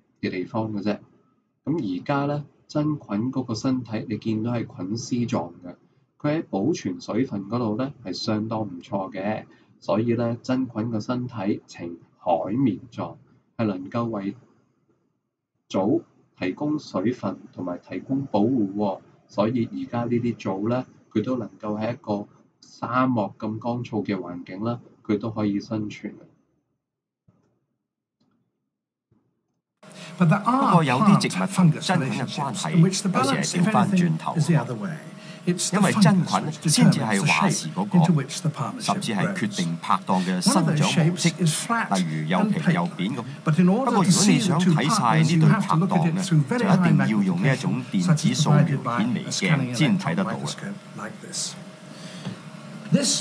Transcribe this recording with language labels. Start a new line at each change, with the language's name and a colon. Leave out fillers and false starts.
Cantonese: 嘅地方嘅啫，咁而家咧真菌嗰個身體，你見到係菌絲狀嘅，佢喺保存水分嗰度咧係相當唔錯嘅，所以咧真菌個身體呈海綿狀，係能夠為藻提供水分同埋提供保護喎，所以而家呢啲藻咧，佢都能夠喺一個沙漠咁乾燥嘅環境啦，佢都可以生存。
English: But there are parts of fungus relationships in which the balance, if anything, is the other way.
Cantonese: 因為真菌先至係話事嗰個，甚至係決定拍檔嘅生長模式，例如又平又扁咁。不過如果你想睇曬呢對拍檔咧，就一定要用呢一種電子掃描顯微鏡先睇得到嘅。